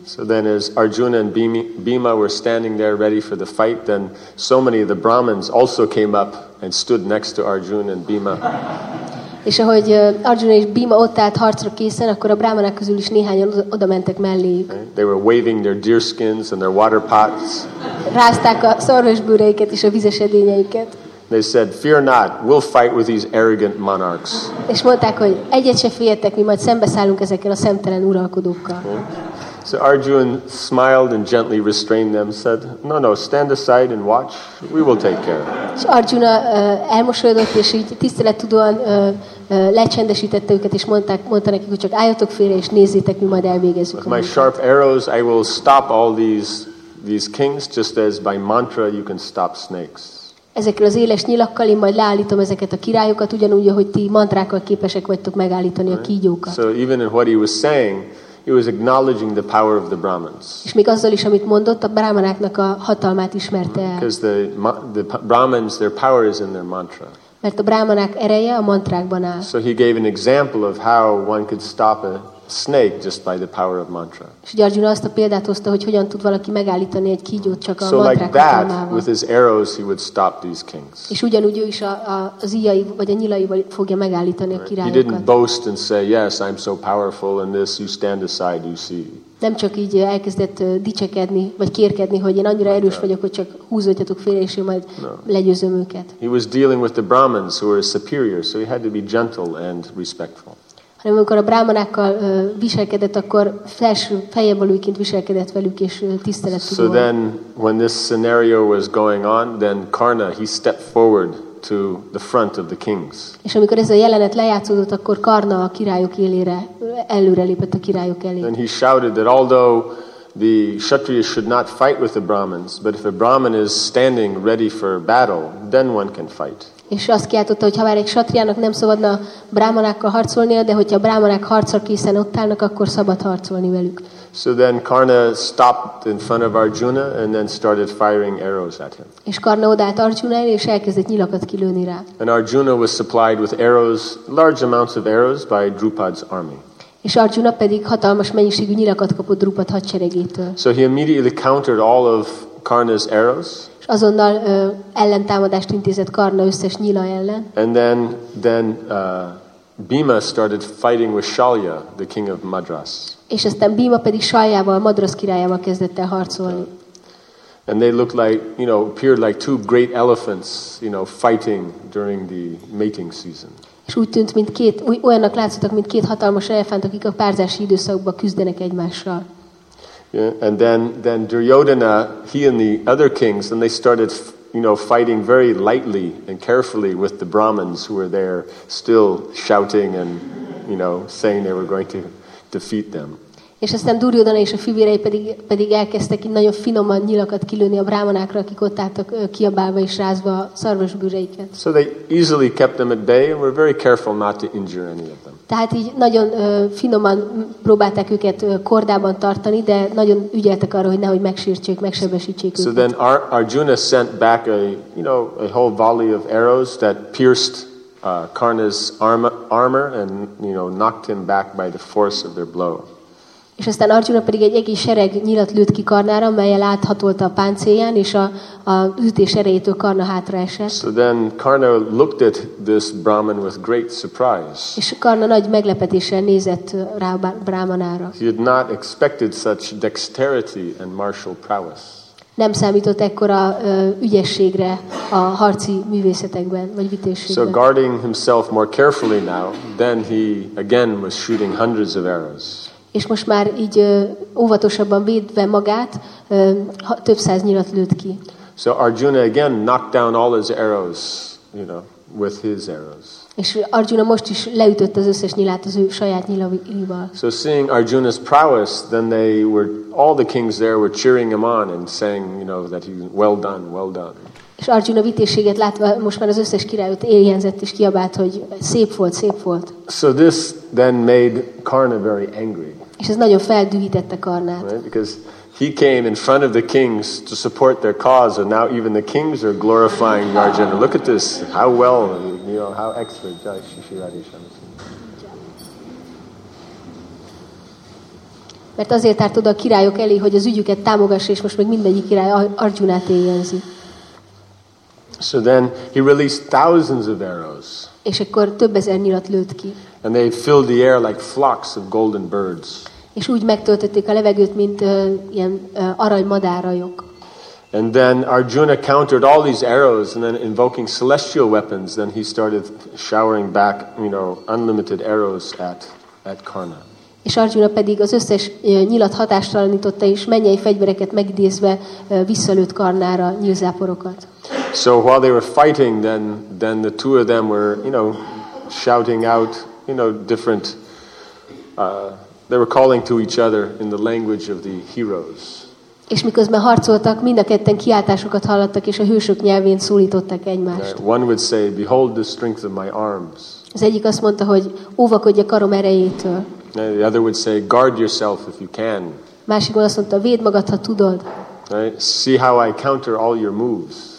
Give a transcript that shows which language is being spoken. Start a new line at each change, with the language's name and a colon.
English: So then as Arjuna and Bhima were standing there ready for the fight, then so many of the Brahmins also came up and stood next to Arjuna and Bhima.
Hungarian: És ahogy Arjuna és Bhima ott állt harcra készen, akkor a brámanák közül is néhányan oda mentek melléjük.
English: They were waving their deer skins and their water pots.
Hungarian: Rázták a szarvasbőreiket és a vizes edényeiket.
English: They said, "Fear not, we'll fight with these arrogant monarchs."
Hungarian: És mondták, hogy egyet se féljetek, mi majd szembeszállunk ezekkel a szemtelen uralkodókkal.
English: So Arjuna smiled and gently restrained them, said, "No, no, stand aside and watch. We will take care."
Hungarian: És Arjuna elmosolyodott és így tisztelettudóan lecsendesítette őket és mondta nekik, hogy csak álljatok félre és nézzétek, mi majd elvégezzük.
English: With my sharp arrows, I will stop all these kings, just as by mantra you can stop snakes.
Hungarian: Ezekkel az éles nyilakkal én majd leállítom ezeket a királyokat, ugyanúgy, ahogy ti mantrákkal képesek vagytok megállítani a kígyókat.
English: So even in what he was saying, he was acknowledging the power of the Brahmins.
Hungarian: És még azzal is, amit mondott, a brahmanáknak a hatalmát ismerte el.
English: Because the Brahmins, their power is in their mantra.
Hungarian: Mert a brahmanák ereje a mantrákban áll.
English: So he gave an example of how one could stop a snake just by the power of mantra.
Hungarian: És Arjuna azt a példát hozta, hogy hogyan tud valaki megállítani egy kígyót csak a mantrák hatalmával.
English: So like that, with his arrows, he would stop these kings.
Hungarian: És ugyanúgy ő is az íjai vagy a nyilaival fogja megállítani a királyokat.
English: He didn't boast and say, "Yes, I'm so powerful in this. You stand aside, you see."
Hungarian: Nem csak így elkezdett dicsekedni vagy kérkedni, hogy én annyira erős vagyok, hogy csak húzódjatok félre és én majd legyőzöm őket.
English: He was dealing with the Brahmins who were superior, so he had to be gentle and respectful.
Hungarian: Hanem amikor a brámanákkal viselkedett, akkor feljebbvalóiként viselkedett velük és tisztelettudóan.
English: So then, when this scenario was going on, then Karna, he stepped forward to the front of the kings.
Hungarian: És amikor ez a jelenet lejátszódott, akkor Karna a királyok élére előre lépett a királyok elé.
English: And he shouted that although the Kshatriyas should not fight with the Brahmins, but if a Brahmin is standing ready for battle, then one can fight.
Hungarian: És azt kiáltotta, hogy ha már egy satriának nem szabadna brámanákkal harcolnia, de hogyha a brámanák harcra készen ott állnak, akkor szabad harcolni velük.
English: So then Karna stopped in front of Arjuna and then started firing arrows at him.
Hungarian: És Karna odaállt Arjuna elé és elkezdett nyilakat kilőni rá.
English: And Arjuna was supplied with arrows, large amounts of arrows by Drupad's army.
Hungarian: És Arjuna pedig hatalmas mennyiségű nyilakat kapott Drupad hadseregétől.
English: So he immediately countered all of Karna's arrows.
Hungarian: Azonnal ellentámadást intézett Karna összes nyila ellen.
English: And then Bhima started fighting with Shalya, the king of Madras.
Hungarian: És aztán Bhima pedig Shalyával, Madras királyával kezdett el harcolni.
English: And they looked like, you know, appeared like two great elephants, you know, fighting during the mating season.
Hungarian: És úgy tűnt, mint két, olyannak látszottak, mint két hatalmas elefánt, akik a párzási időszakban küzdenek egymással.
English: Yeah, and then Duryodhana, he and the other kings, and they started, you know, fighting very lightly and carefully with the Brahmins who were there still shouting and, you know, saying they were going to defeat them.
Hungarian: És aztán Duryodhana és a fivérei pedig elkezdtek nagyon finoman nyilakat kilőni a brámanákra, akik ott álltak kiabálva és rázva a szarvasbőreiket.
English: So they easily kept them at bay and were very careful not to injure any of them.
Hungarian: Tehát így nagyon finoman próbálták őket kordában tartani, de nagyon ügyeltek arra, hogy nehogy megsértsék, megsebesítsék őket.
English: So then Arjuna sent back a whole volley of arrows that pierced Karna's armor and, you know, knocked him back by the force of their blow.
Hungarian: És aztán Arjuna pedig egy egész sereg nyilat lőtt ki Karnára, amelyel áthatolta a páncélján, és a ütés erejétől Karna hátra esett.
English: So then Karna looked at this Brahmin with great surprise.
Hungarian: És Karna nagy meglepetéssel nézett rá Brahmanára.
English: He had not expected such dexterity and martial prowess.
Hungarian: Nem számított ekkora ügyességre a harci művészetekben, vagy vitésségben.
English: So guarding himself more carefully now, then he again was shooting hundreds of arrows.
Hungarian: És most már így óvatosabban védve magát, több száz nyilat lőtt ki.
English: So Arjuna again knocked down all his arrows, you know, with his arrows.
Hungarian: És Arjuna most is leütött az összes nyilát az ő saját nyilaival.
English: So seeing Arjuna's prowess, then they were all the kings there were cheering him on and saying, you know, that he well done, well done.
Hungarian: És Arjuna vitézséget látva most már az összes királyot éljenzett és kiabált, hogy szép volt, szép volt.
English: So this then made Karna very angry.
Hungarian: És ez nagyon feldühítette Karnát.
English: Right? Because he came in front of the kings to support their cause, and now even the kings are glorifying Arjuna. Look at this, how well, you know, how excellent Shishiradi Shamsi.
Hungarian: Mert azért árt oda a királyok elé, hogy az ügyüket támogassa, és most meg mindegyik király Arjunát éljenzi.
English: So then he released thousands of arrows.
Hungarian: És akkor több ezer nyilat lőtt ki.
English: And they filled the air like flocks of golden birds.
Hungarian: És úgy megtöltötték a levegőt, mint ilyen arany madárajok.
English: And then Arjuna countered all these arrows, and then invoking celestial weapons, then he started showering back, you know, unlimited arrows at Karna.
Hungarian: És Arjuna pedig az összes nyilat hatástalanította, és mennyei fegyvereket megidézve visszalőtt Karnára nyilzáporokat.
English: So while they were fighting, then the two of them were, you know, shouting out, you know, different. They were calling to each other in the language of the heroes.
Hungarian: És miközben harcoltak, mind a ketten kiáltásokat hallottak, és a hősök nyelvén szólították egymást.
English: Right. One would say, "Behold the strength of my arms."
Hungarian: Az egyik azt mondta, hogy óvakodj a karom erejétől.
English: The other would say, "Guard yourself if you can."
Hungarian: Másik azt mondta, "Védd magad, ha tudod."
English: Right. See how I counter all your moves.